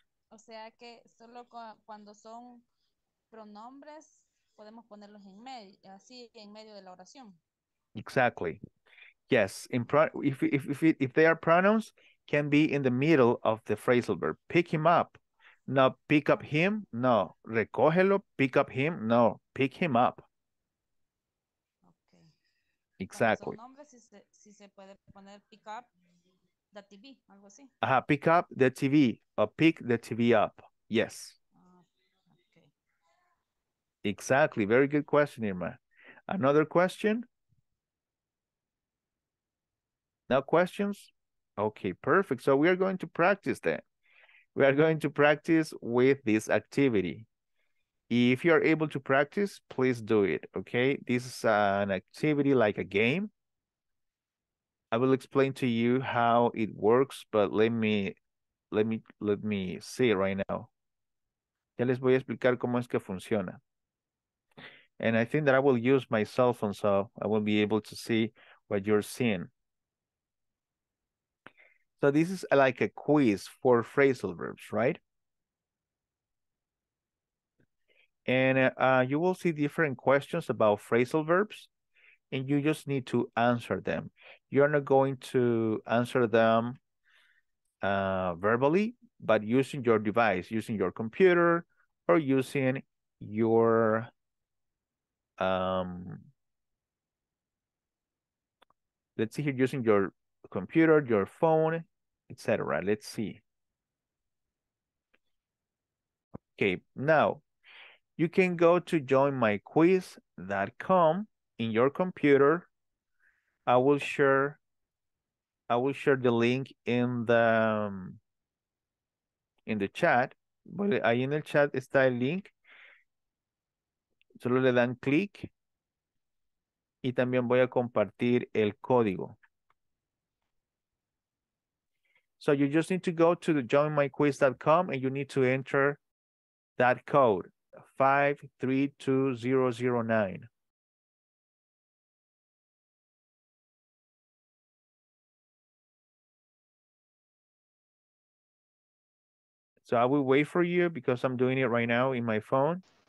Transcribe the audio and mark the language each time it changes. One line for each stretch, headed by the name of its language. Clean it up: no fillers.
Spanish: O sea que solo cuando son pronombres, podemos ponerlos en medio, así en medio de la oración.
English: Exactly. Yes, if they are pronouns, can be in the middle of the phrasal verb. Pick him up. No, pick up him. No,
Spanish: recógelo.
English: Pick up him. No, pick him up. Okay. Exactly.
Spanish: Son nombres, si se puede poner
English: pick up the TV,
Spanish: algo así.
English: Pick up the TV or pick the TV up. Yes. Okay. Exactly. Very good question, Irma. Another question? No questions? Okay, perfect. So we are going to practice that. We are going to practice with this activity. If you are able to practice, please do it, okay? This is an activity like a game. I will explain to you how it works, but let me see right now.
Spanish: Ya les voy a explicar cómo es que funciona.
English: And I think that I will use my cell phone so I will be able to see what you're seeing. So this is like a quiz for phrasal verbs, right? And you will see different questions about phrasal verbs, and you just need to answer them. You're not going to answer them verbally, but using your device, using your computer, or using your let's see here, using your computer, your phone, etc. Let's see. Okay, now you can go to joinmyquiz.com in your computer. I will share the link in the chat.
Spanish: Bueno, ahí en el chat está el link. Solo le dan clic y también voy a compartir el código.
English: So you just need to go to the joinmyquiz.com and you need to enter that code, 532009. So I will wait for you because I'm doing it right now in my phone.